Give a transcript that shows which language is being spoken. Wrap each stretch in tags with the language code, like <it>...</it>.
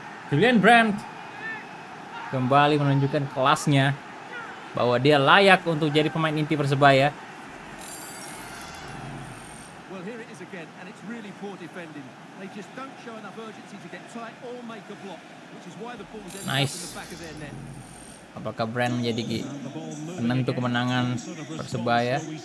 <id>Julian Brandt kembali menunjukkan kelasnya bahwa dia layak untuk jadi pemain inti Persebaya.</id> <en>Well, here it is again and it's really poor defending. They just don't show enough urgency to get tight or make a block, which is why the ball is in the back of their net.</en> <id>Apakah Brand menjadi penentu kemenangan Persebaya?</id>